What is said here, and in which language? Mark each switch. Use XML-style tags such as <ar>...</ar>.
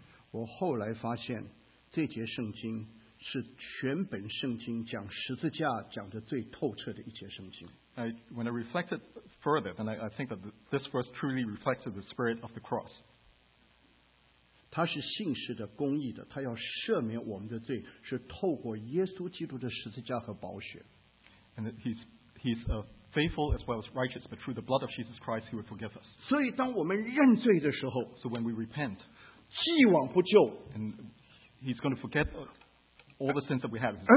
<zh>我后来发现这节圣经, 是全本圣经讲十字架, 讲得最透彻的一节圣经。</zh> <en>When I reflected further, then I think that this verse truly reflected the spirit of the cross.</en> <zh>祂是信实的,公义的, 祂要赦免我们的罪, 是透过耶稣基督的十字架和宝血。</zh> <en>And he's faithful as well as righteous, but through the blood of Jesus Christ, he will forgive us.</en> <zh>所以当我们认罪的时候,</zh> <en>so when we repent,</en> <zh>既往不咎,</zh> <en>and he's going to forget all the sins that we have.</en>